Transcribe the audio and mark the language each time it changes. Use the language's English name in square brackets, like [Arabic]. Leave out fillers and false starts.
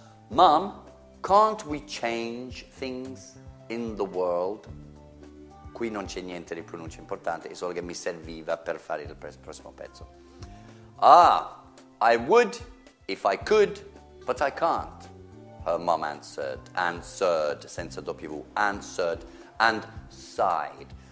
[English] Mom, can't we change things in the world? [Italian] Qui non c'è niente di pronuncia importante, è solo che mi serviva per fare il prossimo pezzo. [English] Ah, I would if I could, but I can't. Her mom answered, [Italian] senza [English] W, answered, and sighed.